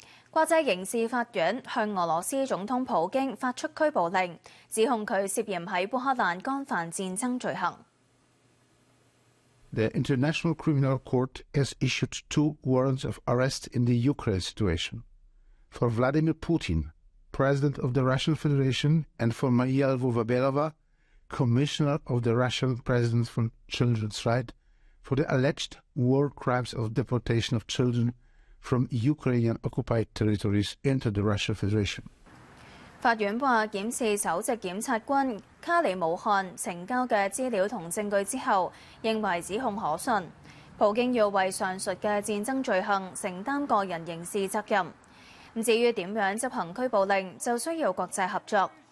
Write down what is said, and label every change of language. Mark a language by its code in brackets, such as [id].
[zh] 国际刑事法院向俄罗斯总统普京发出拘捕令，指控他涉嫌在乌克兰干犯战争罪行。 [en] The International Criminal Court has issued two warrants of arrest in the Ukraine situation for Vladimir Putin, President of the Russian Federation, and for Maria Lvova-Belova, Commissioner of the Russian President for Children's Rights, for the alleged war crimes of deportation of children from Ukrainian occupied territories into the Russian Federation. [zh] 法院說，檢視首席檢察官卡里姆漢呈交的資料和證據之後，認為指控可信，普京要為上述的戰爭罪行承擔個人刑事責任。至於如何執行拘捕令，就需要國際合作。